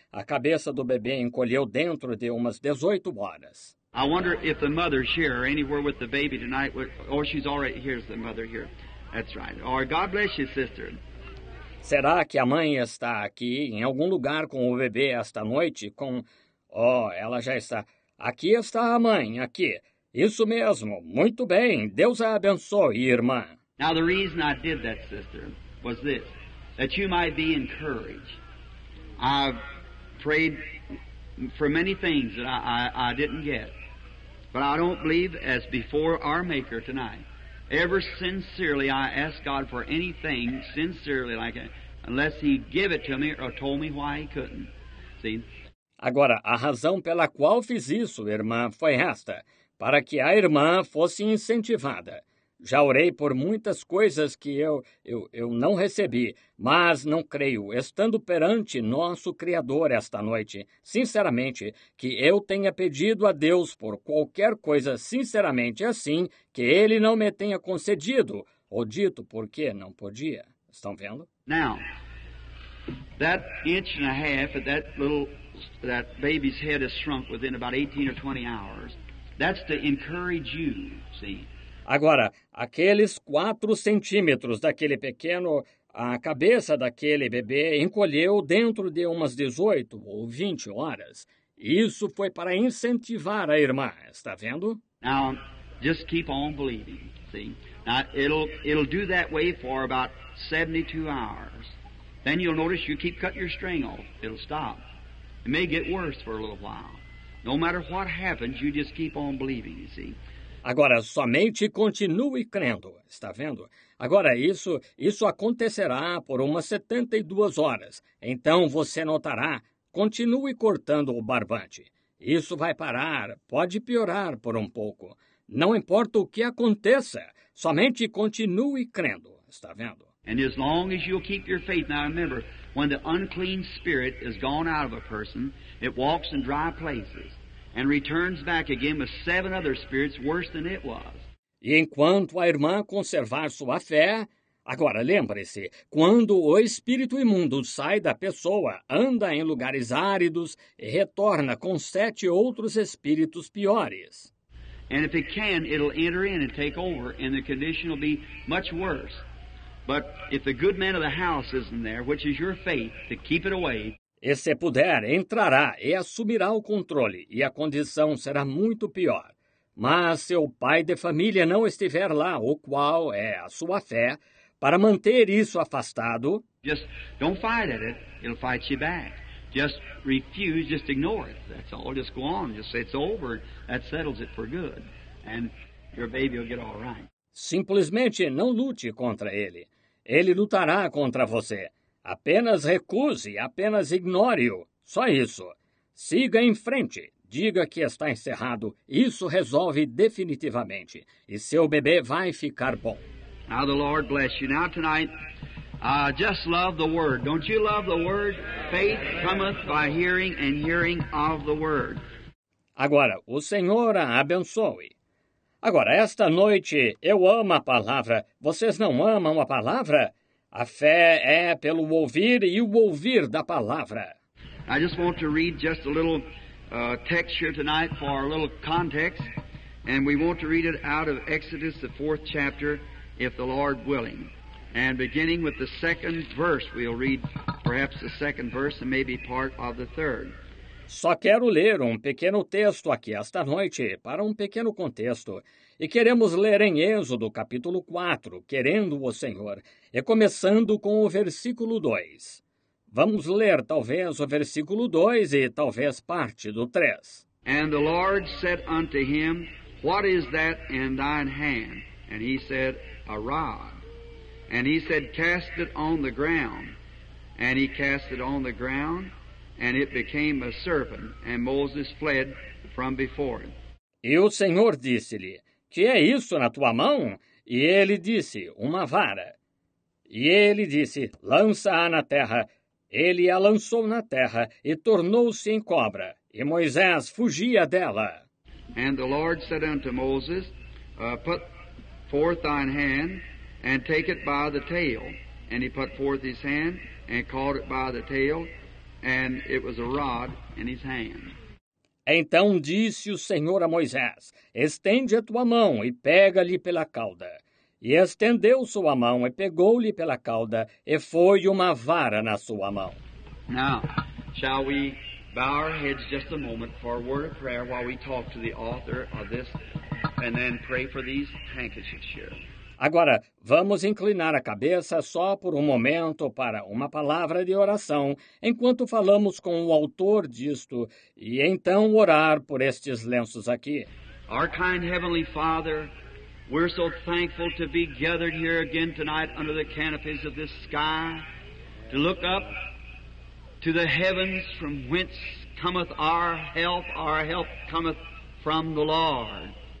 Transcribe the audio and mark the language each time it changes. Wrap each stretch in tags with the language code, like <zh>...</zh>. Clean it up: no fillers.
<pt>A cabeça do bebê encolheu dentro de umas 18 horas.</pt> <en>I wonder if the mother's here or anywhere with the baby tonight, or she's already, here's the mother here, that's right, or God bless you, sister.</en> <pt>Será que a mãe está aqui em algum lugar com o bebê esta noite? Com, oh, ela já está, aqui está a mãe, aqui. Isso mesmo. Muito bem. Deus a abençoe, irmã.</pt> <en>Now the reason I did that, sister, was this, that you might be encouraged. I've prayed for many things that I didn't get. But I don't believe as before our Maker tonight. Ever sincerely I ask God for anything sincerely like it, unless he give it to me or told me why he couldn't. See?</en> <pt>Agora, a razão pela qual fiz isso, irmã, foi esta. Para que a irmã fosse incentivada. Já orei por muitas coisas que eu não recebi, mas não creio, estando perante nosso Criador esta noite, sinceramente, que eu tenha pedido a Deus por qualquer coisa sinceramente assim, que Ele não me tenha concedido, ou dito porque não podia. Estão vendo?</pt> <en>Now, that inch and a half, that baby's head has shrunk within about 18 or 20 hours. That's to encourage you, see.</en> <pt>Agora, aqueles 4 centímetros daquele pequeno, a cabeça daquele bebê encolheu dentro de umas 18 ou 20 horas. Isso foi para incentivar a irmã, está vendo?</pt> <en>Now, just keep on believing, see. Now, it'll do that way for about 72 hours. Then you'll notice you keep cutting your string off. It'll stop. It may get worse for a little while. No matter what happens, you just keep on believing, you see.</en> <pt>Agora, somente continue crendo, está vendo? Agora, isso acontecerá por umas 72 horas. Então, você notará, continue cortando o barbante. Isso vai parar, pode piorar por um pouco. Não importa o que aconteça, somente continue crendo, está vendo?</pt> <en>And as long as you'll keep your faith, now remember, when the unclean spirit is gone out of a person, it walks in dry places and returns back again with 7 other spirits worse than it was.</en> <pt>E enquanto a irmã conservar sua fé, agora lembre-se, quando o espírito imundo sai da pessoa, anda em lugares áridos e retorna com 7 outros espíritos piores.</pt> <en>And if it can, it'll enter in and take over and the condition will be much worse. But if the good man of the house isn't there, which is your faith, to keep it away.</en> <pt>E se puder, entrará e assumirá o controle, e a condição será muito pior. Mas se o pai de família não estiver lá, o qual é a sua fé, para manter isso afastado.</pt> <en>Just don't fight at it, it'll fight you back. Just refuse, just ignore it. That's all. Just go on. Just say it's over. That settles it for good. And your baby will get all right.</en> <pt>Simplesmente não lute contra ele. Ele lutará contra você. Apenas recuse, apenas ignore-o. Só isso. Siga em frente. Diga que está encerrado. Isso resolve definitivamente. E seu bebê vai ficar bom.</pt> <en>Now the Lord bless you. Now tonight, just love the Word. Don't you love the Word? Faith cometh by hearing and hearing of the Word.</en> <pt>Agora, o Senhor a abençoe. Agora, esta noite, eu amo a palavra. Vocês não amam a palavra? A fé é pelo ouvir e o ouvir da palavra.</pt> <en>I just want to read just a little text here tonight for a little context. And we want to read it out of Exodus, the 4th chapter, if the Lord willing. And beginning with the 2nd verse, we'll read perhaps the 2nd verse and maybe part of the 3rd.</en> <pt>Só quero ler um pequeno texto aqui esta noite, para um pequeno contexto. E queremos ler em Êxodo, capítulo 4, querendo o Senhor, e começando com o versículo 2. Vamos ler talvez o versículo 2 e talvez parte do 3.</pt> <en>And the Lord said unto him, What is that in thine hand? And he said, A rod. And he said, Cast it on the ground. And he cast it on the ground. And it became a serpent, and Moses fled from before him.</en> <pt>E o Senhor disse-lhe, Que é isso na tua mão? E ele disse, Uma vara. E ele disse, Lança-a na terra. Ele a lançou na terra, e tornou-se em cobra. E Moisés fugia dela.</pt> <en>And the Lord said unto Moses, Put forth thine hand, and take it by the tail. And he put forth his hand, and caught it by the tail. And it was a rod in his hand.</en> <pt>Então disse o Senhor a Moisés, Estende a tua mão e pega-lhe pela cauda. E estendeu sua mão e pegou-lhe pela cauda, e foi uma vara na sua mão.</pt> <en>Now, shall we bow our heads just a moment for a word of prayer while we talk to the author of this, and then pray for these handkerchiefs here.</en> <pt>Agora, vamos inclinar a cabeça só por um momento para uma palavra de oração, enquanto falamos com o autor disto, e então orar por estes lenços aqui.</pt> <en>Our kind Heavenly Father, we're so thankful to be gathered here again tonight under the canopies of this sky, to look up to the heavens from whence cometh our help cometh from the Lord.</en>